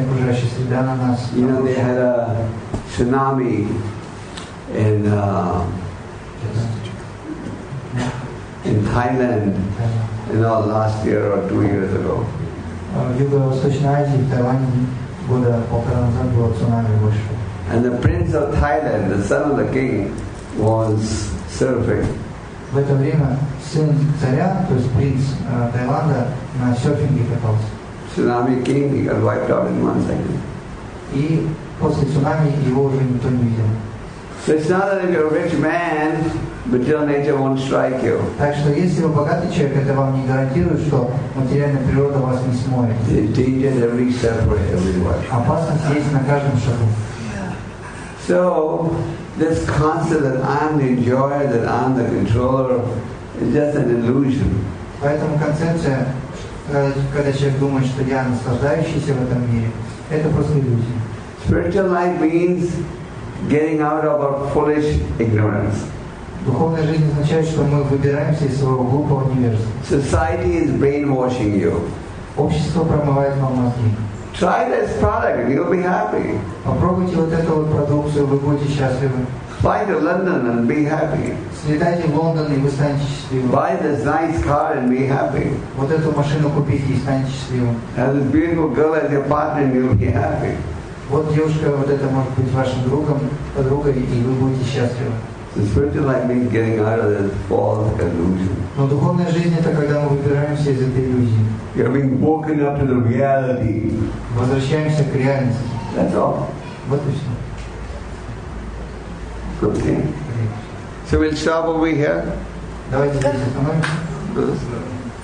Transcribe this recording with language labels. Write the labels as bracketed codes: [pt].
[en] You know, they had a tsunami in Thailand in all last year or 2 years ago. And the prince of Thailand, the son of the king, was surfing. [ru] В это время сын царя, то есть принц Таиланда, на серфинге катался. [en] Tsunami came, he got wiped out in 1 second. [ru] И после цунами его уже никто не видел. [en] So it's not that if you're a rich man, material nature won't strike you. [ru] Так что если вы богатый человек, это вам не гарантирует, что материальная природа вас не смоет. [en] The danger is every step for everyone. [ru] Опасность есть на каждом шагу. [en] So this concept that I'm the enjoyer, that I'm the controller, is just an illusion. [ru] Поэтому концепция, когда человек думает, что я наслаждающийся в этом мире, это просто иллюзия. [en] Spiritual life means getting out of our foolish ignorance. [ru] Духовная жизнь означает, что мы выбираемся из своего глупого невежества. [en] Society is brainwashing you. [ru] Общество промывает вам мозги. [en] Try this product, you'll be happy. [ru] Попробуйте вот эту вот продукцию, вы будете счастливы. [en] Fly to London and be happy. [ru] Слетайте в Лондон и вы станете счастливым. [en] Buy this nice car and be happy. [ru] Вот эту машину купите и станете счастливым. [en] Have this beautiful girl as your partner and you'll be happy. [ru] Вот девушка, вот это может быть вашим другом, подругой, и вы будете счастливы. [en] The spiritual life means getting out of this false illusion. [ru] Но духовная жизнь — это когда мы выбираемся из этой иллюзии. [en] You're being woken up to the reality. [ru] Возвращаемся к реальности. [en] That's all. [ru] Вот и все. [en] Good thing. So we'll stop over here. [ru] Давайте здесь остановимся.